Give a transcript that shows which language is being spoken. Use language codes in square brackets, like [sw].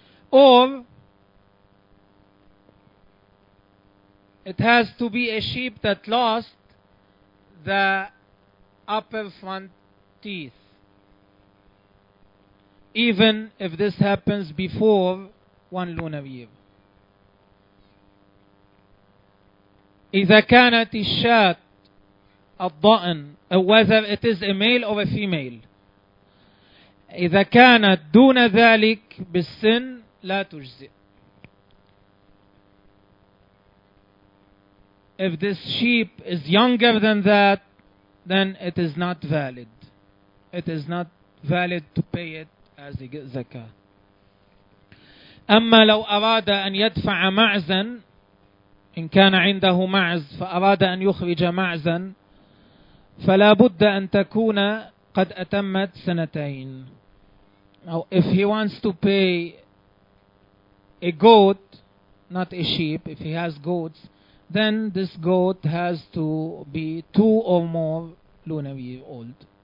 [en] Or it has to be a sheep that lost the upper front teeth. Even if this happens before one lunar year. [ar] إذا كانت الشاة الضأن, [en] whether it is a male or a female, [ar] إذا كانت دون ذلك بالسن لا تجزئ. [en] If this sheep is younger than that, then it is not valid. It is not valid to pay it as a zakah. [ar] أما لو أراد أن يدفع معزا إن كان عنده معز فأراد أن يخرج معزا فلا بد أن تكون قد أتمت سنتين. [en] Now, if he wants to pay a goat, not a sheep, if he has goats, then this goat has to be two or more lunar year old.